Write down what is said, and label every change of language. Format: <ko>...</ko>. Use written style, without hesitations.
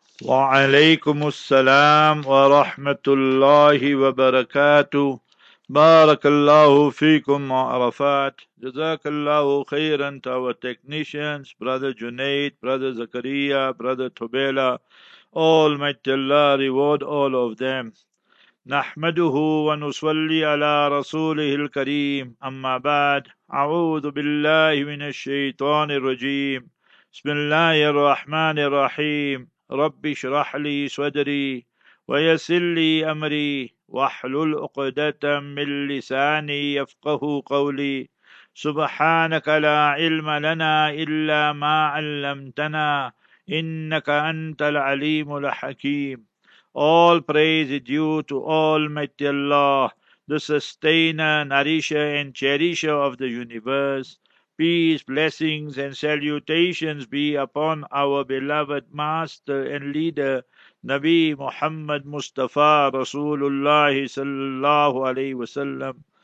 <ar>Wa alaikum assalam wa rahmatullahi wa barakatuh. بارك الله فيكم عرفات جزاك الله خيرا</ar> <en>to our technicians, brother Junaid, brother Zakaria, brother Tobela, all might Allah reward all of them.</en> <ar>نحمده ونصلي على رسوله الكريم أما بعد أعوذ بالله من الشيطان الرجيم بسم الله الرحمن الرحيم رب اشرح لي صدري ويسر لي أمري وَحْلُلْ أُقْدَةً مِنْ لِسَانِي يَفْقَهُ قَوْلِي سُبْحَانَكَ لَا عِلْمَ لَنَا إِلَّا مَا عَلَّمْتَنَا إِنَّكَ أَنْتَ الْعَلِيمُ الْحَكِيمُ.</ar> <en>All praise is due to Almighty Allah, the sustainer, nourisher and cherisher of the universe. Peace, blessings and salutations be upon our beloved master and leader, Nabi Muhammad Mustafa Rasulullah sallallahu alayhi wa sallam.</en>